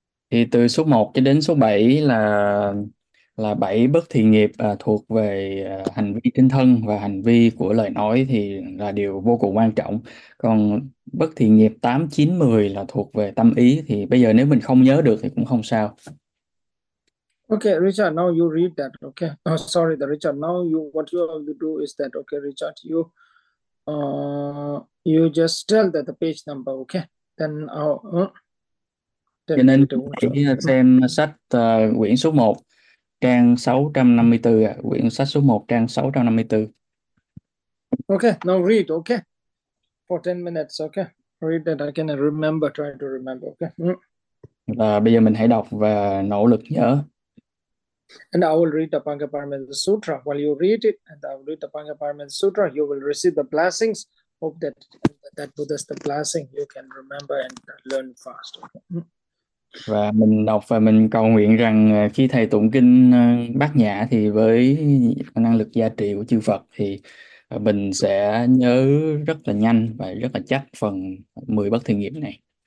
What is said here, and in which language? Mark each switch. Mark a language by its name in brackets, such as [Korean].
[Vietnamese] Thì từ số 1 cho đến số 7 là 7 bất thiện nghiệp thuộc về hành vi trên thân và hành vi của lời nói, thì là điều vô cùng quan trọng. Còn bất thiện nghiệp 8, 9, 10 là thuộc về tâm ý, thì bây giờ nếu mình không nhớ được thì cũng không sao. [English] Okay, Richard, now you read that. Okay. Oh, sorry, the Richard. Now you what you have to do is that okay, Richard, you just tell that the page number, okay? Then [Vietnamese] Cho [English] then negative one. [Vietnamese] hãy xem sách quyển số 1 trang 654 ạ, quyển sách số 1 trang 654. [English] Okay, now read, okay? For 10 minutes, okay? Read that again and remember, try to remember, okay? [Vietnamese] Và bây giờ mình hãy đọc và nỗ lực nhớ. [English] And I will read the Pangaparamita Sutra. While you read it, and I will read the Pangaparamita Sutra, you will receive the blessings. Hope that Buddha's the blessing, you can remember and learn fast. Okay. [Vietnamese] Và mình đọc và mình cầu nguyện rằng khi thầy tụng kinh Bát Nhã thì với năng lực gia trì của chư Phật thì mình sẽ nhớ rất là nhanh và rất là chắc phần 10 bất thiện nghiệp này.